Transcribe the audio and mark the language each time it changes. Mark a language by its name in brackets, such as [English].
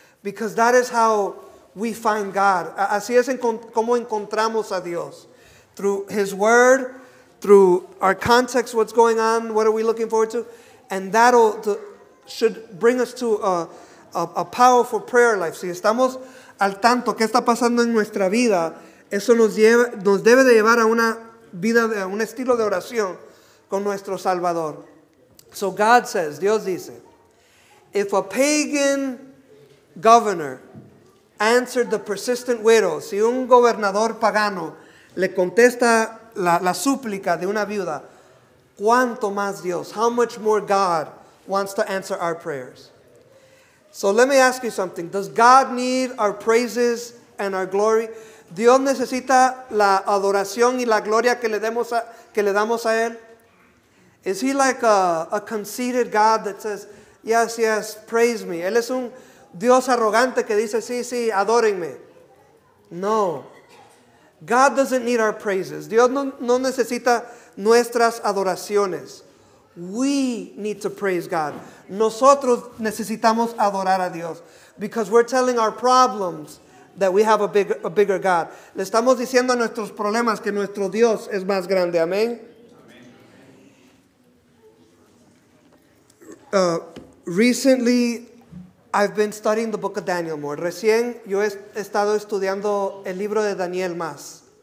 [English] Because that is how we find God. [Spanish] Así es como encontramos a Dios. [English] Through his word, through our context, what's going on, what are we looking forward to? And that should bring us to a powerful prayer life. [Spanish] Si estamos al tanto, ¿qué está pasando en nuestra vida? Eso nos debe de llevar a una vida, a un estilo de oración con nuestro Salvador. [English] So God says, [Spanish] Dios dice, [English] if a pagan governor answered the persistent widow, [Spanish] si un gobernador pagano le contesta la súplica de una viuda, ¿cuánto más Dios? [English] How much more God wants to answer our prayers? So let me ask you something. Does God need our praises and our glory? [Spanish] ¿Dios necesita la adoración y la gloria que le damos a Él? [English] Is he like a conceited God that says, yes, yes, praise me? [Spanish] Él es un Dios arrogante que dice, sí, sí, adórenme. [English] No. God doesn't need our praises. [Spanish] Dios no necesita nuestras adoraciones. [English] We need to praise God. [Spanish] Nosotros necesitamos adorar a Dios. [English] Because we're telling our problems that we have a bigger God. Le estamos diciendo a nuestros problemas que nuestro Dios es más grande. [Spanish] Amén. [English] Recently, I've been studying the book of Daniel more. [Spanish] Recién yo he estado estudiando el libro de Daniel más.